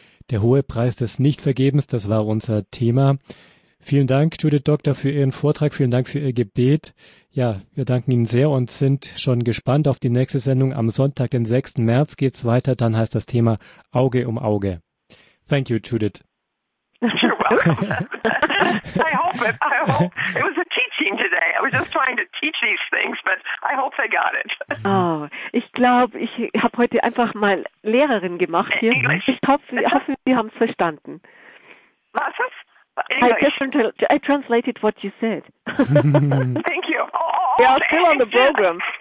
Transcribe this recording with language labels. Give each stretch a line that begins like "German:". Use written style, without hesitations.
German: Der hohe Preis des Nichtvergebens, das war unser Thema. Vielen Dank, Judith Doctor, für Ihren Vortrag. Vielen Dank für Ihr Gebet. Ja, wir danken Ihnen sehr und sind schon gespannt auf die nächste Sendung. Am Sonntag, den 6. März, geht's weiter. Dann heißt das Thema Auge um Auge.
English: Thank you, Judith. You're welcome. I hope it was a teaching today. I was just trying to teach these things, but I hope they got it.
German: Oh, ich glaube, ich habe heute einfach mal Lehrerin gemacht hier.
English: English.
German: Ich hoffe, Sie haben es verstanden. Was ist?
English: I translated what you said. Thank you. We are still on the program.